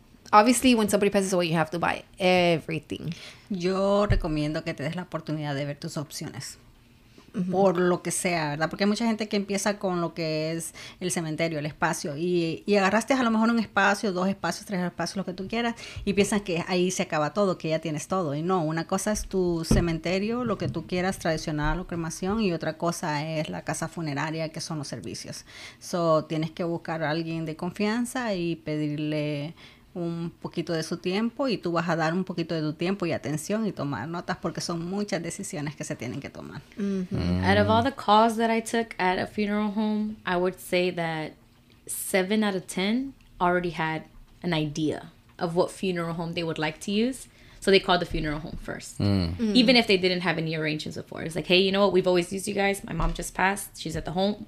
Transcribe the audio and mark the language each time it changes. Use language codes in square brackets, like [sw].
[en] Obviously, when somebody passes away, you have to buy everything. [es] Yo recomiendo que te des la oportunidad de ver tus opciones. Mm-hmm. Por lo que sea, ¿verdad? Porque hay mucha gente que empieza con lo que es el cementerio, el espacio. Y agarraste a lo mejor un espacio, dos espacios, tres espacios, lo que tú quieras. Y piensas que ahí se acaba todo, que ya tienes todo. Y no, una cosa es tu cementerio, lo que tú quieras, tradicional o cremación. Y otra cosa es la casa funeraria, que son los servicios. So, tienes que buscar a alguien de confianza y pedirle un poquito de su tiempo. Y tú vas a dar un poquito de tu tiempo y atención y tomar notas, porque son muchas decisiones que se tienen que tomar. Mm-hmm. [en] Out of all the calls that I took at a funeral home, I would say that 7 out of 10 already had an idea of what funeral home they would like to use. So they called the funeral home first. Mm. Mm-hmm. Even if they didn't have any arrangements before. It's like, hey, you know what? We've always used you guys. My mom just passed. She's at the home.